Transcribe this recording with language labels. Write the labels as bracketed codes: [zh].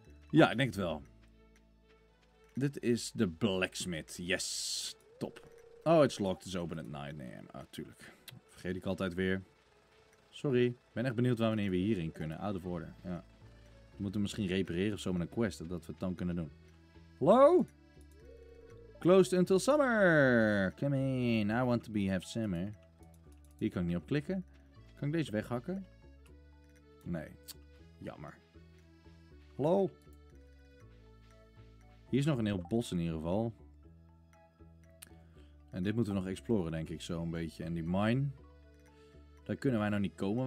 [nl] Ja, ik denk het wel. Dit is de blacksmith. [en] Yes, top. Oh, it's locked. It's open at night. [nl] Nee, natuurlijk. Vergeet ik altijd weer. [en] Sorry. [nl] Ik ben echt benieuwd wanneer we hierin kunnen. [en] Out of order. [nl] Ja. We moeten misschien repareren of zo met een quest. Dat we het dan kunnen doen. [en] Hello? Closed until summer. Come in. I want to be have summer. [nl] Hier kan ik niet op klikken. Kan ik deze weghakken? Nee. Jammer. Hello? Hier is nog een heel bos in ieder geval. En dit moeten we nog exploren, denk ik, zo'n beetje. En die mine. Daar kunnen wij nog niet komen.